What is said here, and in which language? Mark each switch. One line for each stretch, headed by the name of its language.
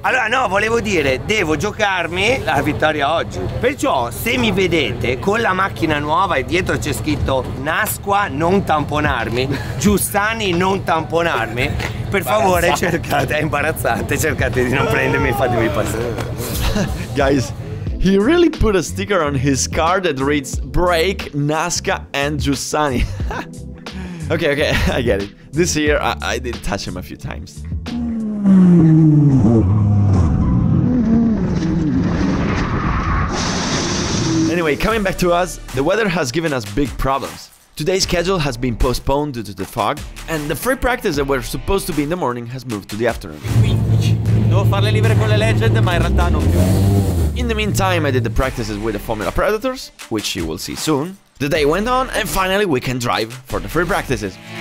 Italian: Allora, no, volevo dire, devo giocarmi la vittoria oggi. Perciò, se mi vedete con la macchina nuova e dietro c'è scritto Nasqua non tamponarmi, Giussani non tamponarmi, per favore cercate, è imbarazzante, cercate di non prendermi e fatemi passare.
English: Guys, he really put a sticker on his car that reads Break, Nasca and Giussani. Okay, I get it. This year I did touch him a few times. Anyway, coming back to us, the weather has given us big problems. Today's schedule has been postponed due to the fog, and the free practice that were supposed to be in the morning has moved to the afternoon.
Italian: Devo farle libere con le Legend, ma in realtà non più.
English: In the meantime, I did the practices with the Formula Predators, which you will see soon. The day went on, and finally we can drive for the free practices.